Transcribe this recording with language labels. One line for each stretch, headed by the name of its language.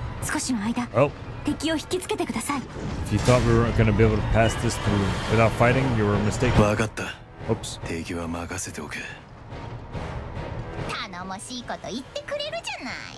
Japanese: 少しの間、敵を引きつけてください。
English: If you thought we weren't gonna be able to pass this through without fighting, you were mistaken.
Japanese: 分かった。
English: Oops.
Japanese: 敵は任せておけ。頼もしいこと言ってくれるじゃない。